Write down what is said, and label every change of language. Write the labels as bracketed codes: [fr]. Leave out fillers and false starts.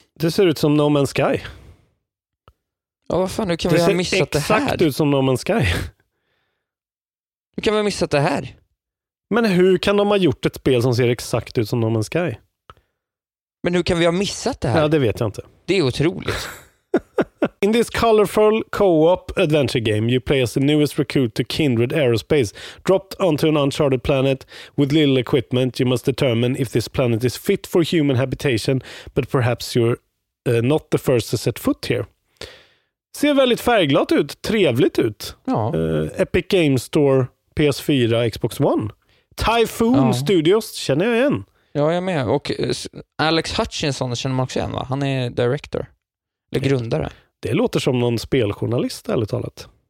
[sv] det ser ut som No Man's Sky. Ja, vad fan, hur kan vi ha missat det här? Det ser exakt ut som No Man's Sky. Hur kan vi ha missat det här? Men hur kan de ha gjort ett spel som ser exakt ut som No Man's Sky? Men hur kan vi ha missat det här? Ja, det vet jag inte. Det är otroligt. [en] In this colorful co-op adventure game, you play as the newest recruit to Kindred Aerospace. Dropped onto an uncharted planet with little equipment, you must determine if this planet is fit for human habitation, but perhaps you're not the first to set foot here. [sv] Ser väldigt färgglatt ut, trevligt ut. Ja. Epic Games Store, PS4, Xbox One. Typhoon, ja. Studios, känner jag igen. Ja, jag med. Och Alex Hutchinson känner man också igen, va? Han är director. Eller grundare. Det låter som någon speljournalist, ärligt talat.